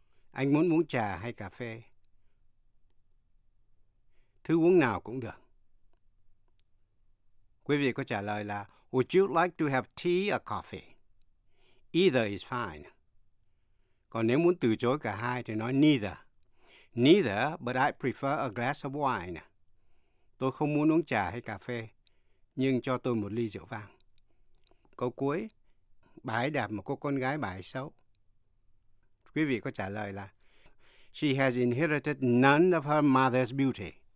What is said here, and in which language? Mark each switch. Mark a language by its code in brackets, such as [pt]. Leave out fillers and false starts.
[vi] Anh muốn uống trà hay cà phê? Thứ uống nào cũng được. Quý vị có trả lời là [en] Would you like to have tea or coffee? Either is fine. [vi] Còn nếu muốn từ chối cả hai thì nói neither. [en] Neither, but I prefer a glass of wine. [vi] Tôi không muốn uống trà hay cà phê, nhưng cho tôi một ly rượu vang. Câu cuối, bà ấy đẹp mà cô con gái bà ấy xấu. Quý vị có trả lời là [en] She has inherited none of her mother's beauty.